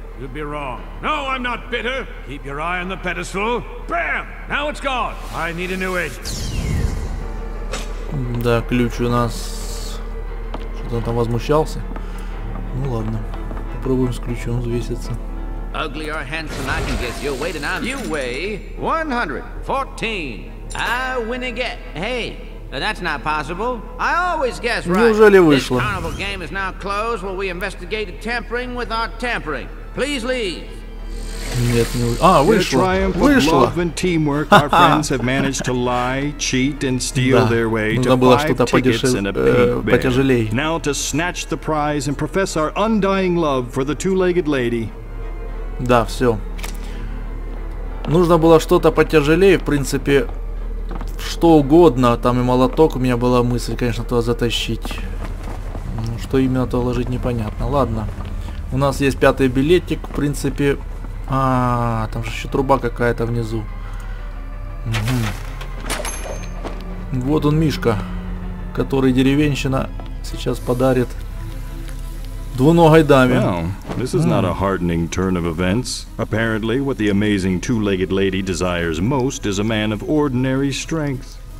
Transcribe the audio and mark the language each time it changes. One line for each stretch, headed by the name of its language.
English: You'd be wrong. No, I'm not bitter. Keep your eye on the pedestal. Bam! Now it's gone. I need a new agent.
Russian: Да, ключ у нас. Что-то там возмущался. Ну ладно. Попробуем с ключом взвеситься.
English: Ugly or handsome, I can guess your weight and I'm... You weigh 114. I win again. Hey, that's not possible. I always guess right.
Russian: Неужели вышло?
English: This carnival game is now closed while we investigate the tampering with our tampering. Please leave.
Russian: Нет, не вышло. А, вышло. Вышло.
English: Love and teamwork, our friends have managed to lie, cheat and steal their way to buy
Russian: что-то потяжелее.
English: Now to snatch the prize and profess our undying love for the two-legged lady.
Russian: Да, все. Нужно было что-то потяжелее, в принципе, что угодно. Там и молоток, у меня была мысль, конечно, туда затащить. Что именно туда ложить, непонятно. Ладно. У нас есть пятый билетик, в принципе. А, там же еще труба какая-то внизу. Угу. Вот он, Мишка, который деревенщина сейчас подарит двуногой даме.
English: Well, this is not a heartening turn of events. Apparently, what the amazing two-legged lady desires most is a man of ordinary strength.